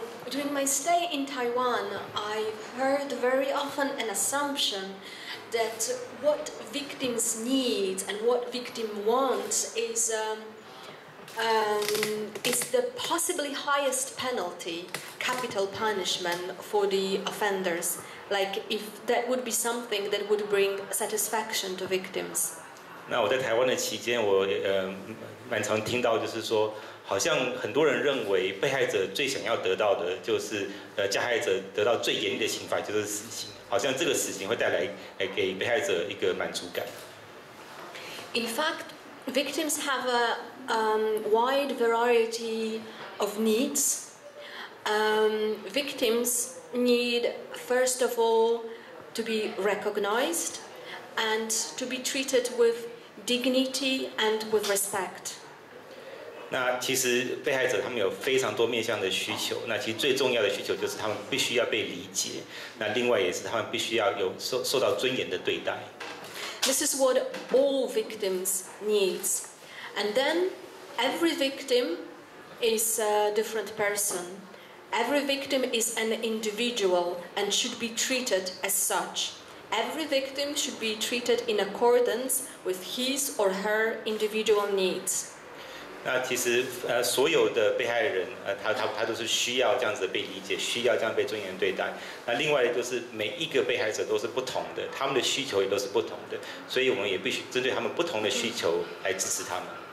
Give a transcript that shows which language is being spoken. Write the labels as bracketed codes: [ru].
[en] During my stay in Taiwan, I heard very often an assumption that what victims need and what victim wants is the possibly highest penalty, capital punishment for the offenders. Like if that would be something that would bring satisfaction to victims. [zh] 那我在台湾的期间，我蛮常听到，就是说，好像很多人认为被害者最想要得到的就是加害者得到最严厉的刑罚，就是死刑。好像这个死刑会带来给被害者一个满足感。 [en] In fact, victims have a wide variety of needs. Victims. Need first of all to be recognized and to be treated with dignity and with respect. [zh] 那其实被害者他们有非常多面向的需求，那其实最重要的需求就是他们必须要被理解，那另外也是他们必须要有受到尊严的对待。 [en] This is what all victims needs, and then every victim is a different person. Every victim is an individual and should be treated as such. Every victim should be treated in accordance with his or her individual needs. [zh] 那其实所有的被害人他都是需要这样子被理解，需要这样被尊严对待。那另外就是每一个被害者都是不同的，他们的需求也都是不同的，所以我们也必须针对他们不同的需求来支持他们。